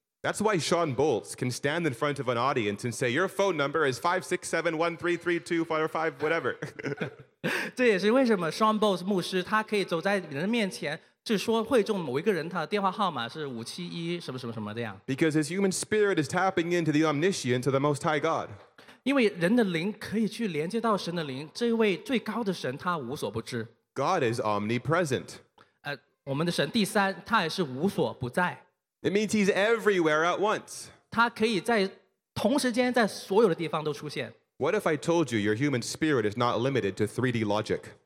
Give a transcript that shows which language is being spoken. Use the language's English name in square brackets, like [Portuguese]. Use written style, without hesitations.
[English] That's why Sean Bolts can stand in front of an audience and say, "Your phone number is 5671332405 whatever." [Chinese] 这也是为什么Sean Bolts牧师他可以走在你的面前，就说会众某一个人他的电话号码是571什么什么什么这样。 [English] Because his human spirit is tapping into the omniscience of the Most High God. [Chinese] 因为人的灵可以去连接到神的灵，这位最高的神他无所不知。 [English] God is omnipresent. [Chinese] 我们的神第三，他也是无所不在。 [English] It means he's everywhere at once. [Chinese] 他可以在同时间在所有的地方都出现。 [English] What if I told you your human spirit is not limited to 3D logic?